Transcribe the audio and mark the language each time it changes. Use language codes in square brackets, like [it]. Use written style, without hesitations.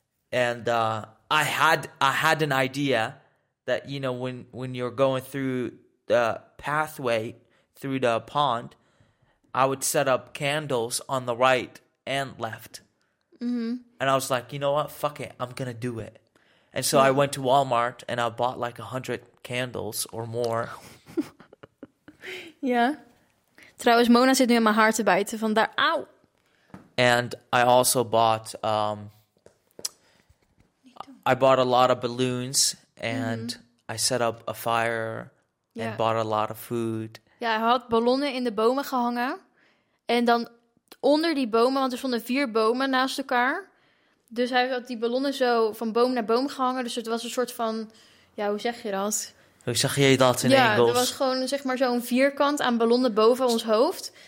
[en] And I had an idea that, you know, when you're going through the pathway through the pond, I would set up candles on the right and left. Mm-hmm. And I was like, you know what? Fuck it. I'm going to do it. And so I went to Walmart and I bought like 100 candles or more. Yeah. [nl] Trouwens, Mona zit nu in mijn haar te bijten van daar. Au! [en] And I also bought... I bought a lot of balloons and I set up a fire and bought a lot of food. [nl] Ja, hij had ballonnen in de bomen gehangen. En dan onder die bomen, want er stonden 4 bomen naast elkaar. Dus hij had die ballonnen zo van boom naar boom gehangen. Dus het was een soort van, ja, hoe zeg je dat? Hoe zeg je dat in Engels? Ja, er was gewoon zeg maar zo'n vierkant aan ballonnen boven ons hoofd.